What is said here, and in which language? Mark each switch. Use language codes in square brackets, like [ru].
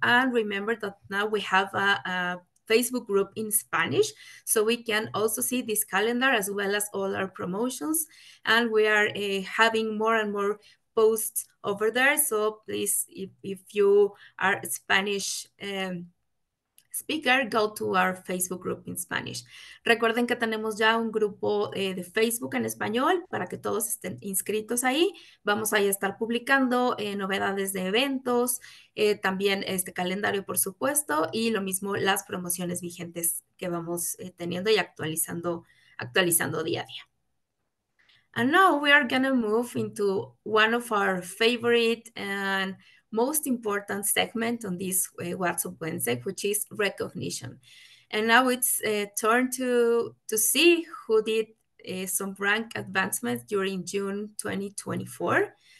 [en] And remember that now we have a Facebook group in Spanish, so we can also see this calendar as well as all our promotions. And we are having more and more posts over there. So please, if you are Spanish speaker, go to our Facebook group in Spanish. [es] Recuerden que tenemos ya un grupo de Facebook en español para que todos estén inscritos ahí. Vamos ahí a estar publicando novedades de eventos, también este calendario, por supuesto, y lo mismo las promociones vigentes que vamos teniendo y actualizando día a día. [en] And now we are going to move into one of our favorite and most important segment on this WhatsApp Wednesday, which is recognition. And now it's turn to see who did some rank advancements during June 2024.